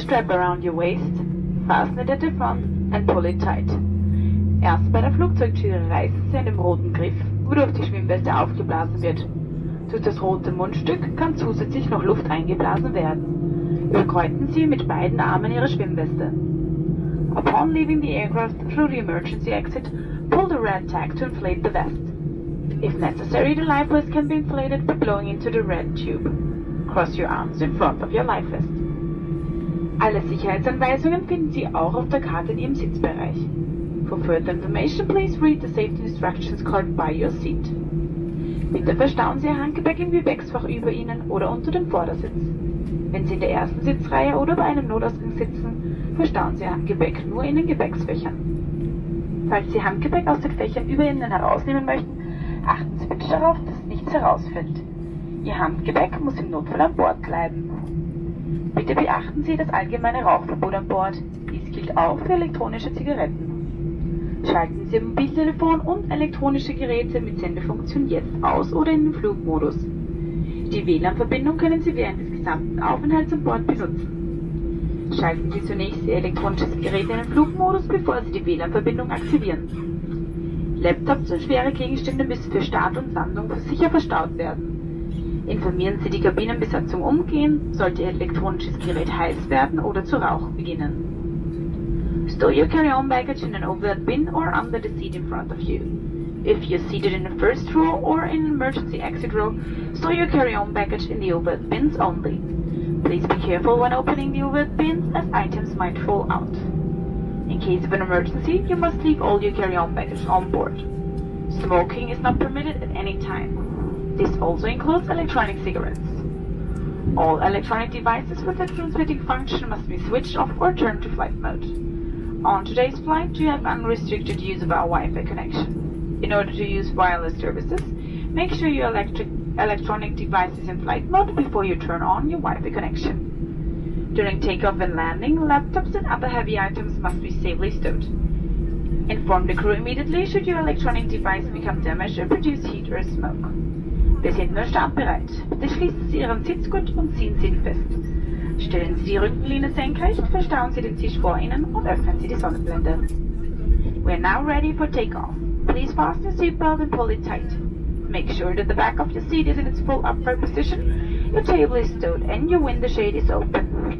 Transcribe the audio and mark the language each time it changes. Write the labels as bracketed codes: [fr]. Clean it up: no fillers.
[en] Around your waist, fasten it at the front and pull it tight. [de] Erst bei der Flugzeugtür reißen Sie an dem roten Griff, wodurch die Schwimmweste aufgeblasen wird. Durch das rote Mundstück kann zusätzlich noch Luft eingeblasen werden. Überkreuzen Sie mit beiden Armen Ihre Schwimmweste. [en] Upon leaving the aircraft through the emergency exit, pull the red tag to inflate the vest. If necessary, the life vest can be inflated by blowing into the red tube. Cross your arms in front of your life vest. [de] Alle Sicherheitsanweisungen finden Sie auch auf der Karte in Ihrem Sitzbereich. [en] For further information, please read the safety instructions card by your seat. [de] Bitte verstauen Sie Ihr Handgepäck im Gepäckfach über Ihnen oder unter dem Vordersitz. Wenn Sie in der ersten Sitzreihe oder bei einem Notausgang sitzen, verstauen Sie Ihr Handgepäck nur in den Gepäckfächern. Falls Sie Handgepäck aus den Fächern über Ihnen herausnehmen möchten, achten Sie bitte darauf, dass nichts herausfällt. Ihr Handgepäck muss im Notfall an Bord bleiben. Bitte beachten Sie das allgemeine Rauchverbot an Bord. Dies gilt auch für elektronische Zigaretten. Schalten Sie Ihr Mobiltelefon und elektronische Geräte mit Sendefunktion jetzt aus oder in den Flugmodus. Die WLAN-Verbindung können Sie während des gesamten Aufenthalts an Bord benutzen. Schalten Sie zunächst Ihr elektronisches Gerät in den Flugmodus, bevor Sie die WLAN-Verbindung aktivieren. Laptops und schwere Gegenstände müssen für Start und Landung sicher verstaut werden. Informieren Sie die Kabinenbesatzung umgehend, sollte Ihr elektronisches Gerät heiß werden oder zu rauchen beginnen. [en] Store your carry-on baggage in an overhead bin or under the seat in front of you. If you're seated in the first row or in an emergency exit row, store your carry-on baggage in the overhead bins only. Please be careful when opening the overhead bins as items might fall out. In case of an emergency, you must leave all your carry-on baggage on board. Smoking is not permitted at any time. This also includes electronic cigarettes. All electronic devices with a transmitting function must be switched off or turned to flight mode. On today's flight, you have unrestricted use of our Wi-Fi connection. In order to use wireless services, make sure your electronic device is in flight mode before you turn on your Wi-Fi connection. During takeoff and landing, laptops and other heavy items must be safely stowed. Inform the crew immediately should your electronic device become damaged or produce heat or smoke. [de] Wir sind nur startbereit. Bitte schließen Sie Ihren Sitzgurt und ziehen Sie ihn fest. Stellen Sie die Rückenlehne senkrecht, verstauen Sie den Tisch vor Ihnen und öffnen Sie die Sonnenblende. [en] We are now ready for takeoff. Please fasten your seatbelt and pull it tight. Make sure that the back of your seat is in its full upright position, your table is stowed and your window shade is open.